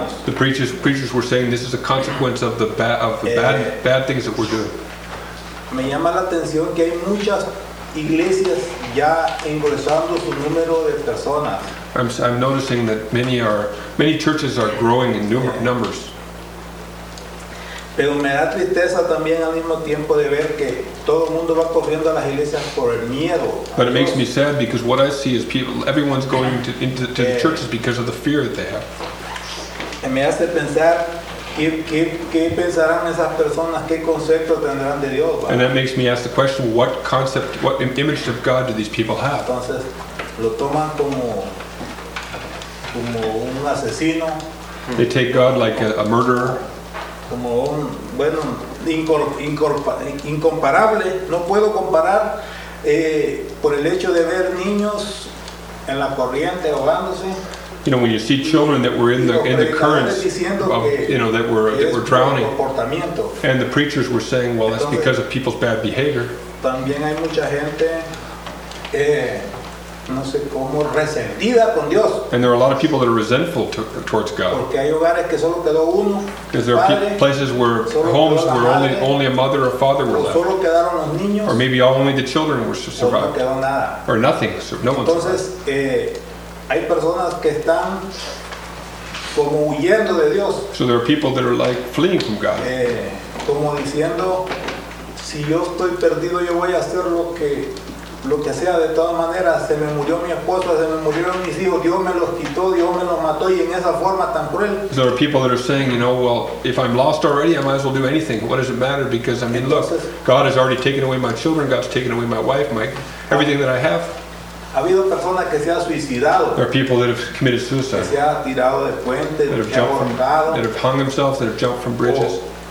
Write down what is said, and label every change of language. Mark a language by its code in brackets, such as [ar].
[en] The preachers were saying this is a consequence of the bad things that we're doing. [es] Me llama la atención que hay muchas iglesias ya engrosando su número de personas. [en] I'm noticing that many churches are growing in numbers. [es] Pero me da tristeza también al mismo tiempo de ver que todo el mundo va corriendo a las iglesias por el miedo. [en] But it makes me sad because what I see is everyone's going to the churches because of the fear that they have. [es] Me hace pensar qué pensarán esas personas, qué concepto tendrán de Dios. [en] And that makes me ask the question, what concept, what image of God do these people have? [es] Entonces lo toman como un asesino. [en] They take God like a murderer. [es] Como un, bueno, incomparable. No puedo comparar por el hecho de ver niños en la corriente ahogándose. [en] You know, when you see children that were in the currents, that were drowning, and the preachers were saying, well, that's because of people's bad behavior. [es] También hay mucha gente, no sé cómo, resentida con Dios. [en] And there are a lot of people that are resentful towards God. [es] Porque hay hogares que solo quedó uno, [en] because there are places where homes where only a mother or father were left. [es] Solo quedaron los niños, [en] or maybe only the children were survived. [es] No quedó nada. [en] Or nothing, so no one survived. [es] Hay personas que están como huyendo de Dios. [en] So there are people that are like fleeing from God. [es] Como diciendo, si yo estoy perdido, yo voy a hacer lo que sea de todas maneras. Se me murió mi esposa, se me murieron mis hijos. Dios me los quitó, Dios me los mató, y en esa forma tan cruel. [en] So there are people that are saying, you know, well, if I'm lost already, I might as well do anything. What does it matter? Because I mean, [es] entonces, [en] look, God has already taken away my children. God's taken away my wife, my everything that I have. [es] Ha habido personas que se han suicidado. [en] There are people that have committed suicide. [es] Que se han tirado de puentes, [en] that have jumped from, that have hung themselves, that have jumped from bridges.